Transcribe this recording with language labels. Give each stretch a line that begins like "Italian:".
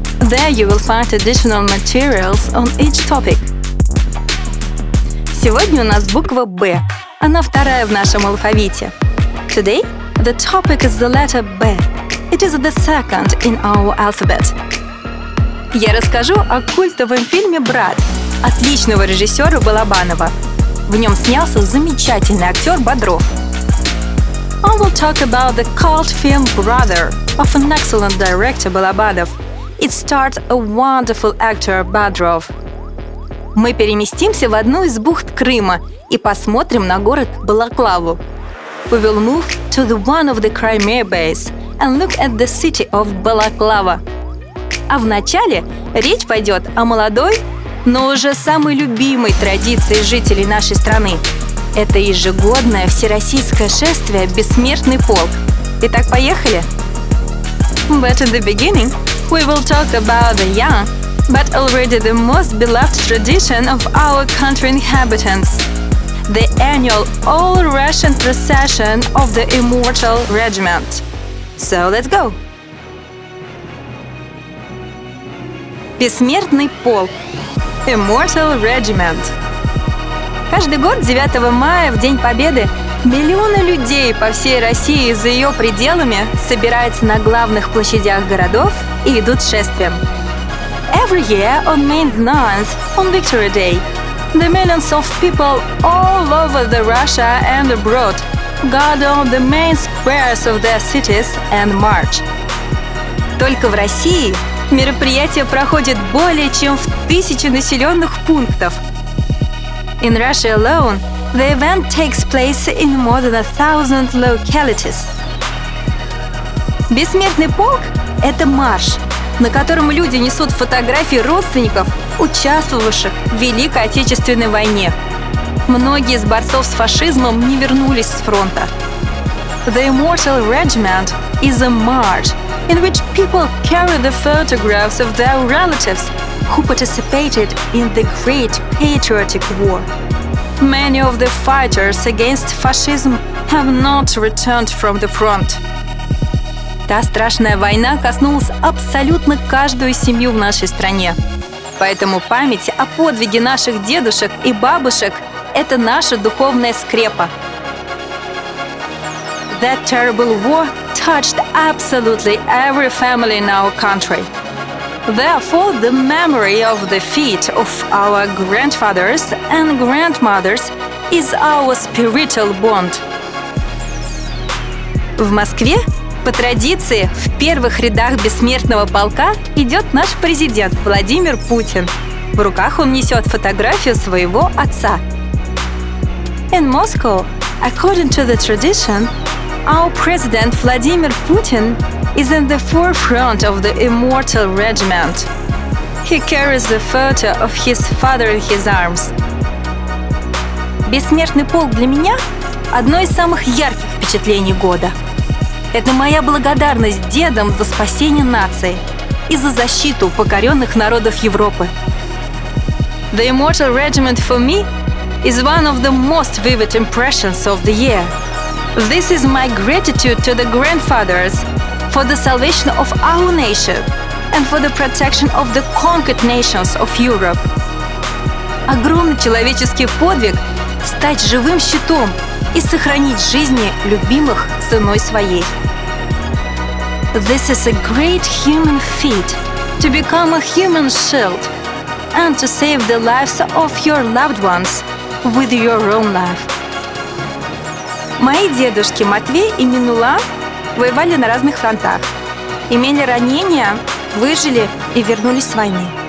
English: There you will find additional materials on each topic.
Russian: Сегодня у нас буква «Б». Она вторая в нашем алфавите.
English: Today, the topic is the letter B. It is the second in our alphabet.
Russian: Я расскажу о культовом фильме «Брат» отличного режиссера Балабанова. В нем снялся замечательный актер Бодров.
English: I will talk about the cult film «Brother» of an excellent director Балабанов. It starred a wonderful actor Бодров.
Russian: Мы переместимся в одну из бухт Крыма и посмотрим на город Балаклаву.
English: We will move to the one of the Crimea bays and look at the city of Balaklava.
Russian: А вначале речь пойдет о молодой, но уже самой любимой традиции жителей нашей страны. Это ежегодное всероссийское шествие «Бессмертный полк». Итак, поехали!
English: But in the beginning, we will talk about the young, but already the most beloved tradition of our country inhabitants. The annual all-Russian procession of the Immortal Regiment. So let's go!
Russian: Бессмертный полк.
English: Immortal Regiment.
Russian: Каждый год 9 мая, в День Победы, миллионы людей по всей России и за ее пределами собираются на главных площадях городов и идут шествием.
English: Every year on May 9th, on Victory Day, the millions of people all over the Russia and abroad gather the main squares of their cities and march.
Russian: Только в России мероприятие проходит более чем в 1000 населенных пунктов.
English: In Russia alone, the event takes place in more than 1000 localities.
Russian: Бессмертный полк – это марш, на котором люди несут фотографии родственников, участвовавших в Великой Отечественной войне. Многие из борцов с фашизмом не вернулись с фронта.
English: The Immortal Regiment is a march in which people carry the photographs of their relatives who participated in the Great Patriotic War. Many of the fighters against fascism have not returned from the front.
Russian: Та страшная война коснулась абсолютно каждую семью в нашей стране. Поэтому память о подвиге наших дедушек и бабушек – это наша духовная скрепа.
English: That terrible war touched absolutely every family in our country. Therefore, the memory of the feet of our grandfathers and grandmothers is our spiritual bond.
Russian: В Москве? По традиции, в первых рядах бессмертного полка идет наш президент Владимир Путин. В руках он несет фотографию своего отца.
English: In Moscow, according to the tradition, our president Vladimir Putin is in the forefront of the immortal regiment. He carries the photo of his father in his arms.
Russian: Бессмертный полк для меня – одно из самых ярких впечатлений года. Это моя благодарность дедам за спасение нации и за защиту покоренных народов Европы.
English: The Immortal Regiment for me is one of the most vivid impressions of the year. This is my gratitude to the grandfathers for the salvation of our nation and for the protection of the conquered nations of Europe.
Russian: Огромный человеческий подвиг – стать живым щитом и сохранить жизни любимых ценой своей.
English: This is a great human feat – to become a human shield and to save the lives of your loved ones with your own life.
Russian: Мои дедушки Матвей и Минула воевали на разных фронтах, имели ранения, выжили и вернулись с войны.